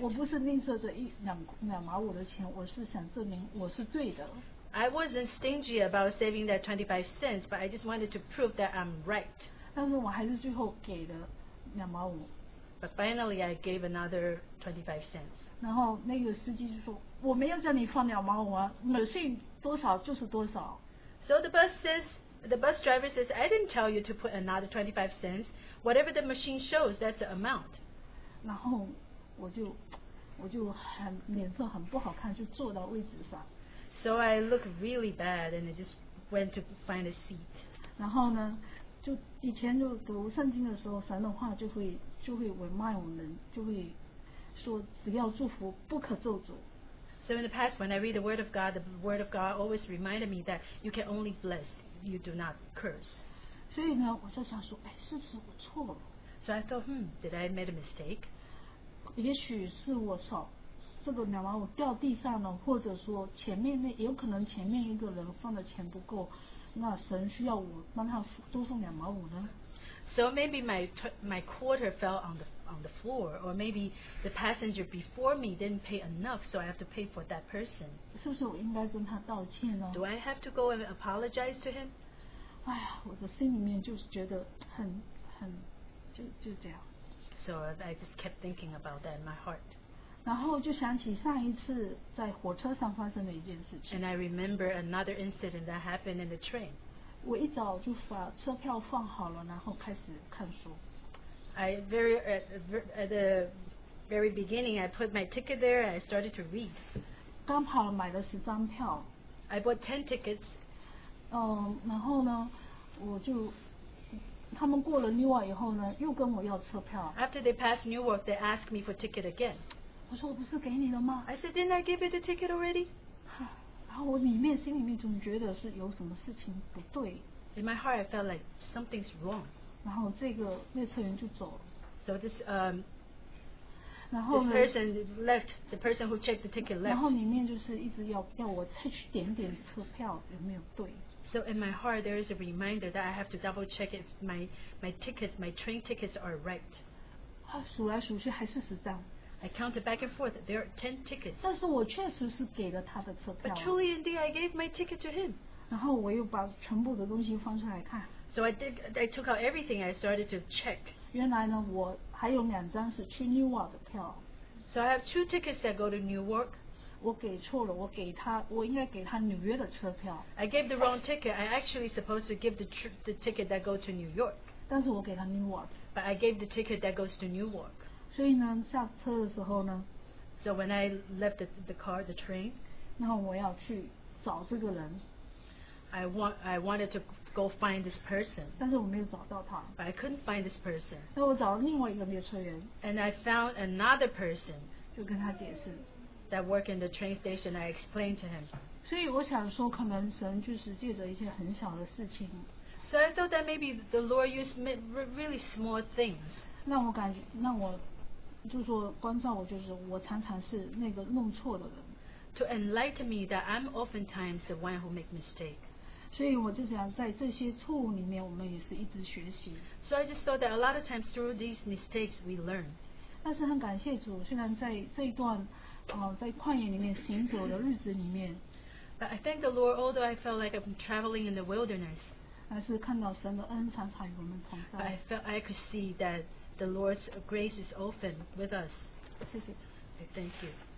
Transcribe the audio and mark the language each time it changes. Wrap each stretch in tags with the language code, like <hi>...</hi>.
<zh>我不是吝啬这两毛五的钱，我是想证明我是对的。</zh> <en>I wasn't stingy about saving that 25 cents, but I just wanted to prove that I'm right.</en> <zh>但是我还是最后给了两毛五。</zh> <en>But finally, I gave another 25 cents.</en> <zh>然后那个司机就说，我没有叫你放两毛五啊，你信多少就是多少。</zh> <en>So the bus driver says, I didn't tell you to put another 25 cents. Whatever the machine shows, that's the amount.</en> <zh>然后我就很脸色很不好看，就坐到位置上。</zh> <en>So I look really bad, and I just went to find a seat.</en> <zh>然后呢？就以前就读圣经的时候，神的话就会 remind 我们，就会说只要祝福，不可咒诅。</zh> <en>So in the past, when I read the word of God always reminded me that you can only bless, you do not curse.</en> <zh>所以呢，我就想说，哎，是不是我错了</zh> <en>？So I thought, did I make a mistake?</en> <zh>也许是我少这个两毛五掉地上了，或者说前面那有可能前面一个人放的钱不够。那神需要我帮他多送两毛五呢</zh> <en>？So maybe my quarter fell on the floor, or maybe the passenger before me didn't pay enough, so I have to pay for that person.</en> <zh>是不是我应该跟他道歉呢</zh> <en>？Do I have to go and apologize to him?</en> <zh>哎呀，我的心里面就是觉得很就这样。</zh> <en>So I just kept thinking about that in my heart.</en> <zh>然后就想起上一次在火车上发生的一件事情。</zh> <en>And I remember another incident that happened in the train.</en> <zh>我一早就把车票放好了，然后开始看书。</zh> <en>At the very beginning, I put my ticket there and I started to read.</en> <zh>刚好买了十张票。</zh> <en>I bought 10 tickets.</en> <zh>然后呢，我就他们过了 Newark 以后呢，又跟我要车票。</zh> <en>After they passed Newark, they asked me for ticket again.</en> <zh>我说我不是给你了吗</zh> <en>？I said, didn't I give you the ticket already?</en> <zh>然后我里面心里面总觉得是有什么事情不对。</zh> <en>In my heart, I felt like something's wrong.</en> <zh>然后这个列车员就走了。</zh> <en>So this</en> <zh>然后</zh> <en>this person left. The person who checked the ticket left.</en> <zh>然后里面就是一直要我再去点车票有没有对。</zh> <en>So in my heart, there is a reminder that I have to double check if my train tickets are right.</en> <zh>啊，数来数去还是十张。</zh> <en>I counted back and forth. There are 10 tickets.</en> <zh>但是我确实是给了他的车票。</zh> <en>But truly indeed, I gave my ticket to him.</en> <zh>然后我又把全部的东西翻出来看。</zh> <en>So I took out everything. I started to check.</en> <zh>原来呢，我还有两张是去 Newark 的票。</zh> <en>So I have two tickets that go to Newark.</en> <zh>我给错了，我应该给他纽约的车票。</zh> <en>I gave the wrong ticket. I actually supposed to give the ticket that go to New York.</en> <zh>但是我给他 Newark.</zh> <en>But I gave the ticket that goes to Newark.</en> <zh>所以呢，下车的时候呢</zh> <en>，So when I left the car, the train，</en> <zh>然后我要去找这个人</zh> <en>，I wanted to go find this person，</en> <zh>但是我没有找到他</zh> <en>，But I couldn't find this person。</en> <zh>那我找了另外一个列车员</zh> <en>，And I found another person，</en> <zh>就跟他解释</zh> <en>，That work in the train station， I explained to him。</en> <zh>所以我想说，可能神就是借着一些很小的事情</zh> <en>，So I thought that maybe the Lord used really small things。</en> <zh>让我感觉，让我就说关照我，就是我常常是那个弄错的人。</zh> <en>To enlighten me that I'm oftentimes the one who make mistake.</en> <zh>所以我就想在这些错误里面，我们也是一直学习。</zh> <en>So I just thought that a lot of times through these mistakes we learn.</en> <zh>但是很感谢主，虽然在这一段，在旷野里面行走的日子里面。</zh> <en>But I thank the Lord, although I felt like I'm traveling in the wilderness.</en> <zh>还是看到神的恩常常与我们同在。</zh> <en>But I felt I could see that. The Lord's grace is often with us. Okay, thank you.</en>